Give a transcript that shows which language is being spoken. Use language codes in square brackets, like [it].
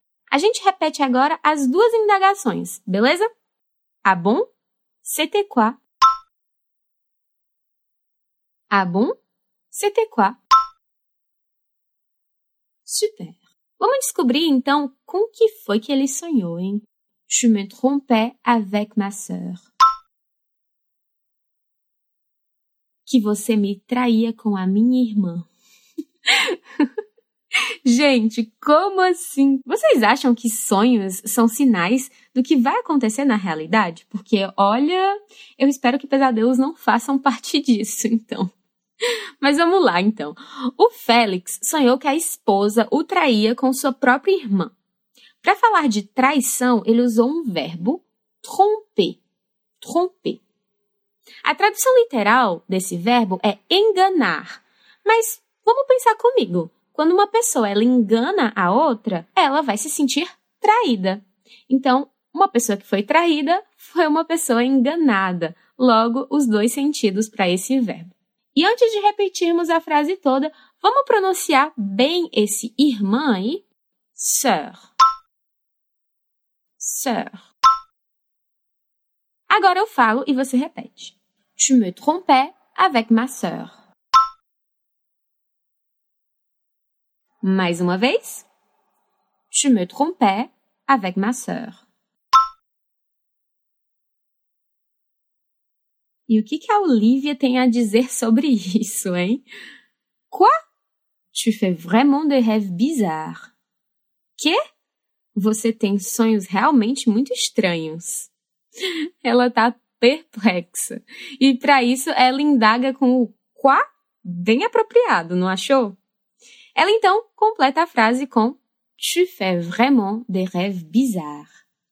[pt] A gente repete agora as duas indagações, beleza? [fr] Ah bon? C'était quoi? Ah bon? C'était quoi? Super! [pt] Vamos descobrir, então, com que foi que ele sonhou, hein? [fr] Je me trompais avec ma sœur. [pt] Que você me traía com a minha irmã. Gente, como assim? Vocês acham que sonhos são sinais do que vai acontecer na realidade? Porque, olha, eu espero que pesadelos não façam parte disso, então. Mas vamos lá, então. O Félix sonhou que a esposa o traía com sua própria irmã. Para falar de traição, ele usou um verbo tromper. Tromper. A tradução literal desse verbo é enganar. Mas vamos pensar comigo. Quando uma pessoa ela engana a outra, ela vai se sentir traída. Então, uma pessoa que foi traída foi uma pessoa enganada. Logo, os dois sentidos para esse verbo. E antes de repetirmos a frase toda, vamos pronunciar bem esse irmã aí? Sœur. [fr] Sœur. [pt] Agora eu falo e você repete. [fr] Tu me trompais avec ma sœur. [pt] Mais uma vez. [fr] Je me trompais avec ma sœur. [pt] E o que que a Olivia tem a dizer sobre isso, hein? [fr] Quoi? Tu fais vraiment des rêves bizarres. [pt] Quê? Você tem sonhos realmente muito estranhos. Ela tá perplexa. E para isso, ela indaga com o quoi bem apropriado, não achou? Ela, então, completa a frase com [fr] Tu fais vraiment des rêves bizarres.